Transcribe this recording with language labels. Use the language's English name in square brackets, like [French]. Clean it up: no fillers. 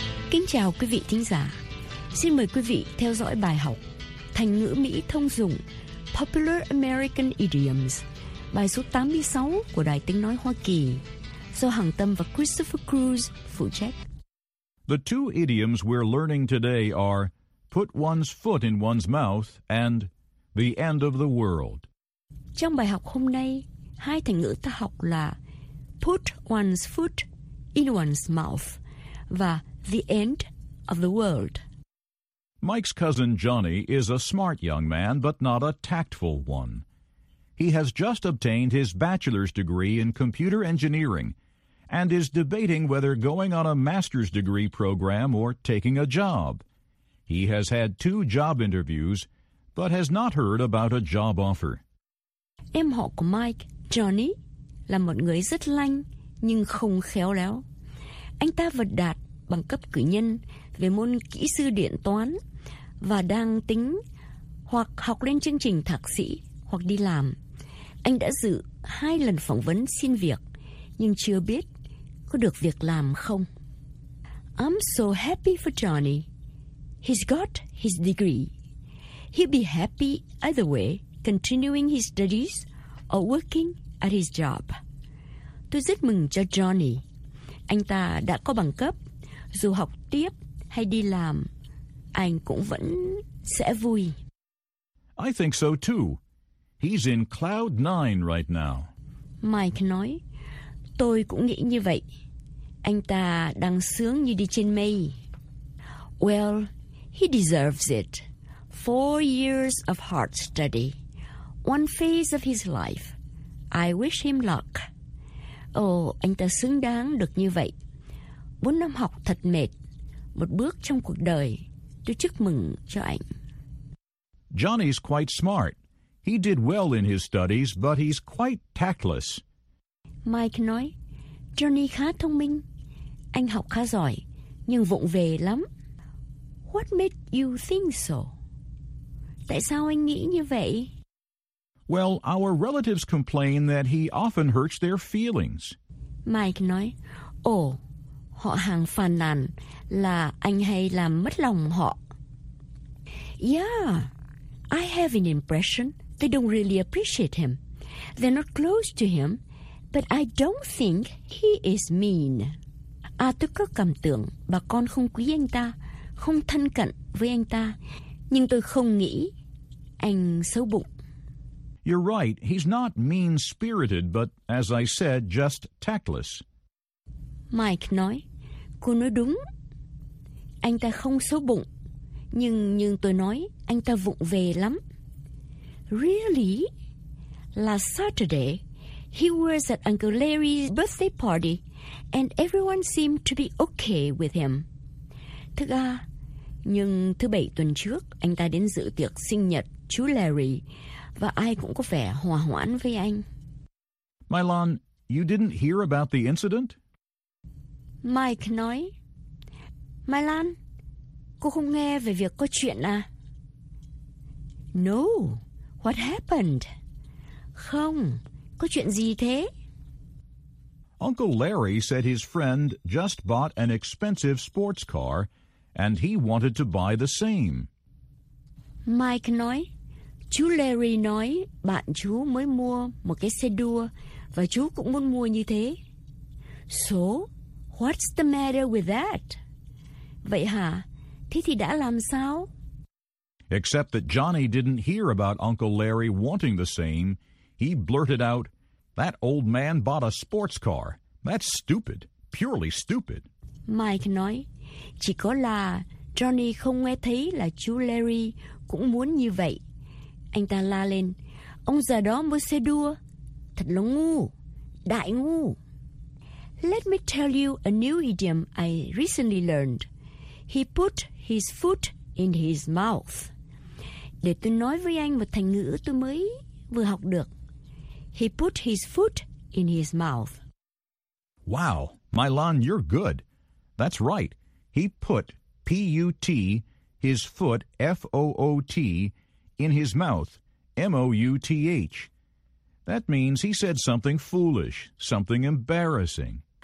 [Vietnamese] Kính chào quý vị thính giả. Xin mời quý vị theo dõi bài học Thành ngữ Mỹ thông dụng [English] Popular American Idioms, [Vietnamese] bài số 86 của Đài Tiếng Nói Hoa Kỳ, do Hằng Tâm và Christopher Cruz phụ trách. [English] The two idioms we're learning today are put one's foot in one's mouth and the end of the world. [Vietnamese] Trong bài học hôm nay, hai thành ngữ ta học là [English] put one's foot in one's mouth [Vietnamese] và [English] the end of the world. Mike's cousin Johnny is a smart young man, but not a tactful one. He has just obtained his bachelor's degree in computer engineering and is debating whether going on a master's degree program or taking a job. He has had two job interviews, but has not heard about a job offer. [Vietnamese] Em họ của Mike, Johnny, là một người rất lanh nhưng không khéo léo. Anh ta vừa đạt bằng cấp cử nhân về môn kỹ sư điện toán và đang tính hoặc học lên chương trình thạc sĩ hoặc đi làm. Anh đã dự hai lần phỏng vấn xin việc nhưng chưa biết có được việc làm không. [English] I'm so happy for Johnny. He's got his degree. He'll be happy either way, continuing his studies or working at his job. [Vietnamese] Tôi rất mừng cho Johnny. Anh ta đã có bằng cấp. Dù học tiếp hay đi làm, anh cũng vẫn sẽ vui. [English] I think so too. He's in cloud nine right now. [Vietnamese] Mike nói, tôi cũng nghĩ như vậy. Anh ta đang sướng như đi trên mây. [English] Well, he deserves it. 4 years of hard study. One phase of his life. I wish him luck. [Vietnamese] Oh, anh ta xứng đáng được như vậy. 4 năm học thật mệt, một bước trong cuộc đời. Tôi chúc mừng cho anh. [English] Johnny's quite smart. He did well in his studies, but he's quite tactless. [Vietnamese] Mike nói, Johnny khá thông minh. Anh học khá giỏi, nhưng vụng về lắm. [English] What made you think so? [Vietnamese] Tại sao anh nghĩ như vậy? [English] Well, our relatives complain that he often hurts their feelings. [Vietnamese] Mike nói, ồ, họ hàng phàn nàn là anh hay làm mất lòng họ. [English] Yeah, I have an impression they don't really appreciate him. They're not close to him, but I don't think he is mean. [Vietnamese] À, tôi có cảm tưởng bà con không quý anh ta, không thân cận với anh ta, nhưng tôi không nghĩ anh xấu bụng. [English] You're right, he's not mean-spirited, but as I said, just tactless. [Vietnamese] Mike nói, cô nói đúng. Anh ta không xấu bụng, nhưng như tôi nói, anh ta vụng về lắm. [English] Really? Last Saturday, he was at Uncle Larry's birthday party, and everyone seemed to be okay with him. [Vietnamese] Thực ra, nhưng thứ bảy tuần trước, anh ta đến dự tiệc sinh nhật chú Larry, và ai cũng có vẻ hòa hoãn với anh. [English] Mylon, you didn't hear about the incident? [Vietnamese] Mike nói, Mylon, cô không nghe về việc có chuyện à? [English] No, what happened? [Vietnamese] Không, có chuyện gì thế? [English] Uncle Larry said his friend just bought an expensive sports car and he wanted to buy the same. [Vietnamese] Mike nói, chú Larry nói bạn chú mới mua một cái xe đua và chú cũng muốn mua như thế. [English] So, what's the matter with that? [Vietnamese] Vậy hả? Thế thì đã làm sao? [English] Except that Johnny didn't hear about Uncle Larry wanting the same. He blurted out, that old man bought a sports car. That's stupid. Purely stupid. [Vietnamese] Mike nói, chỉ có là Johnny không nghe thấy là chú Larry cũng muốn như vậy. Anh ta la lên, ông già đó mua xe đua. Thật là ngu, đại ngu. [English] Let me tell you a new idiom I recently learned. He put his foot in his mouth. [Vietnamese] Để tôi nói với anh một thành ngữ tôi mới vừa học được. [English] He put his foot in his mouth. Wow, Mylon, you're good. That's right. He put, P-U-T, his foot, F-O-O-T, in his mouth, M-O-U-T-H. That means he said something foolish, something embarrassing.